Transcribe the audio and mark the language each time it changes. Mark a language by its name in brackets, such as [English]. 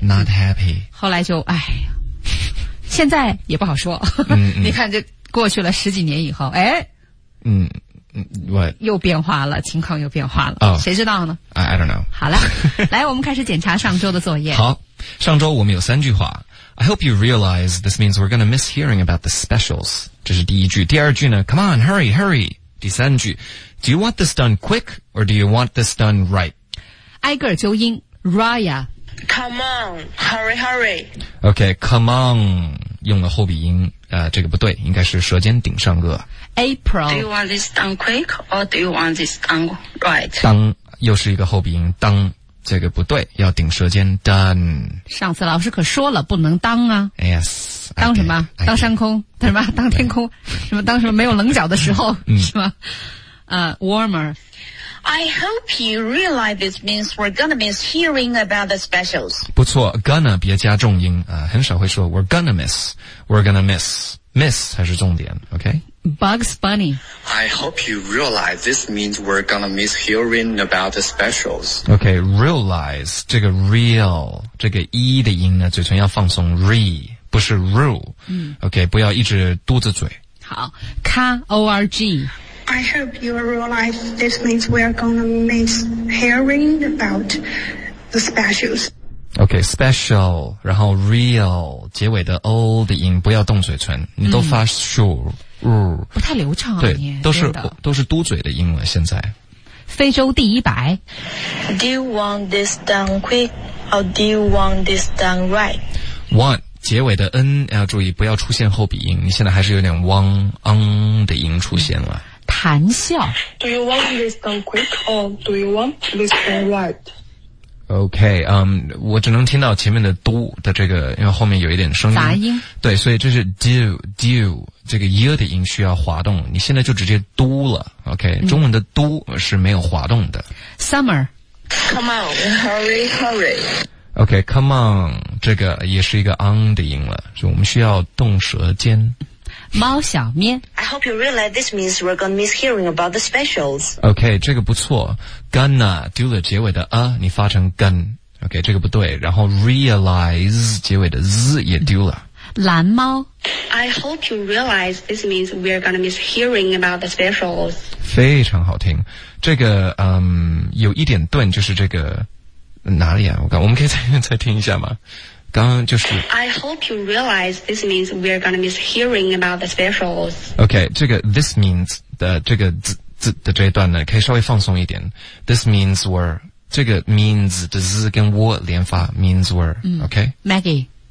[English] not happy. [Chinese] 后来就哎，现在也不好说。嗯嗯你看，这过去了十几年以后，哎， [English] 嗯。what? [Chinese] 又变化了，情况又变化了。 [English] Oh, [Chinese] 谁知道呢？ [English] I don't know. [Chinese] 好了，来，我们开始检查上周的作业。好，上周我们有三句话。 [English] I hope you realize this means we're going to miss hearing about the specials. [Chinese] 这是第一句。第二句呢 , [English] come on, hurry, hurry. [Chinese] 第三句 [English] ,do you want this done quick or do you want this done right? [Chinese] 挨个纠音 ,Raya. [English] Come on, hurry, hurry. Okay, come on, [Chinese] 用了后鼻音、这个不对，应该是舌尖顶上颚。 [English] April. Do you want this done quick or do you want this done right? [Chinese] 当又是一个后鼻音当。这个不对，要顶舌尖 done。上次老师可说了，不能当啊。 [English] Yes。 [Chinese] 当什么？当山空？当什么？当天空？什么？当什么？没有棱角的时候，是吗？ [English] warmer。 I hope you realize this means we're gonna miss hearing about the specials。 [Chinese] 不错 ，gonna 别加重音啊、很少会说 [English] we're gonna miss， we're gonna miss， [Chinese] miss 还是重点 ，OK。 [English] Bugs Bunny. I hope you realize this means we're gonna miss hearing about the specials. Okay, realize, [Chinese] 这个 real, 这个 e 的音呢嘴唇要放松 re, 不是 rule.、Okay, 不要一直嘟着嘴。好 ,K-O-R-G. [English] I hope you realize this means we're gonna miss hearing about the specials. Okay, special, [Chinese] 然后 real, 结尾的 o 的音不要动嘴唇你都发 sure, 不太流畅啊对都是嘟嘴的音了现在。非洲第一白 [English] Do you want this done quick or do you want this done right? [Chinese] Want, 结尾的 n 要注意不要出现后鼻音你现在还是有点汪嗯的音出现了。谈笑 [English] Do you want this done quick or do you want this done right? Okay, [Chinese] 我只能听到前面的 do 的这个因为后面有一点声音。杂音。对所以这是 do, 这个 year 的音需要滑动你现在就直接 do 了 ,okay,、中文的 do 是没有滑动的。 [English] Summer. Come on, hurry, hurry. Okay, come on, [Chinese] 这个也是一个 on 的音了所以我们需要动舌尖。猫小咩 [English] I hope you realize this means we're gonna miss hearing about the specials. [Chinese] Okay, 这个不错。 [English] Gonna, do the [Chinese] 结尾的 a, 你发成 gun. Okay, 这个不对。然后 realize, 结尾的 z 也丢了。蓝猫 [English] I hope you realize this means we're gonna miss hearing about the specials. [Chinese] 非常好听。这个有一点顿就是这个哪里啊我们可以再听一下吗刚刚就是 [English] I hope you realize this means we're gonna miss hearing about the specials. [Chinese] Okay, 这个 this means 的这个 z 的这一段呢可以稍微放松一点。 [English] This means we're, [Chinese] 这个 means 的 z 跟 w 连发 [English] means we're, okay? Maggie.